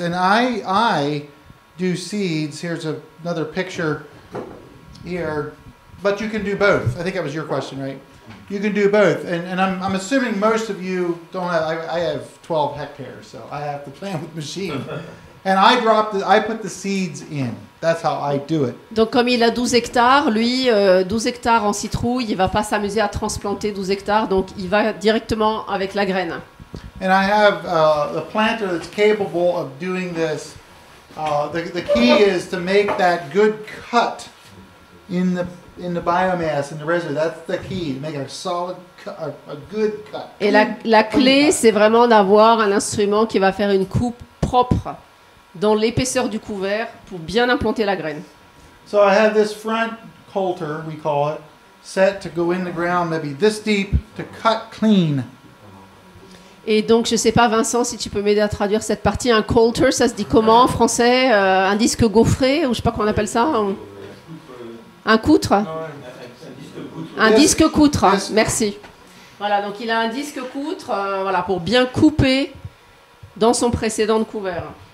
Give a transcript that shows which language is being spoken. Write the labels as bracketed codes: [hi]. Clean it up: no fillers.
[en] And I do seeds. Here's another picture here, but you can do both. I think that was your question, right? You can do both, and I'm assuming most of you don't have. I have 12 hectares, so I have to plant with machine. And I drop the, I put the seeds in. That's how I do it. [fr] Donc comme il a 12 hectares, lui, 12 hectares en citrouille, il va pas s'amuser à transplanter 12 hectares, donc il va directement avec la graine. [en] And I have a planter that's capable of doing this. The key is to make that good cut in the biomass, in the reservoir. That's the key, make a solid cut, a good cut. [fr] Et la clé, c'est vraiment d'avoir un instrument qui va faire une coupe propre dans l'épaisseur du couvert pour bien implanter la graine. [en] So I have this front coulter, we call it, set to go in the ground maybe this deep to cut clean. [fr] Et donc, je ne sais pas, Vincent, si tu peux m'aider à traduire cette partie. Un coulter, ça se dit comment en français? Un disque gaufré, ou je ne sais pas comment on appelle ça. Un coutre? Un disque coutre. Un disque coutre, merci. Voilà, donc il a un disque coutre voilà, pour bien couper dans son précédent de couvert.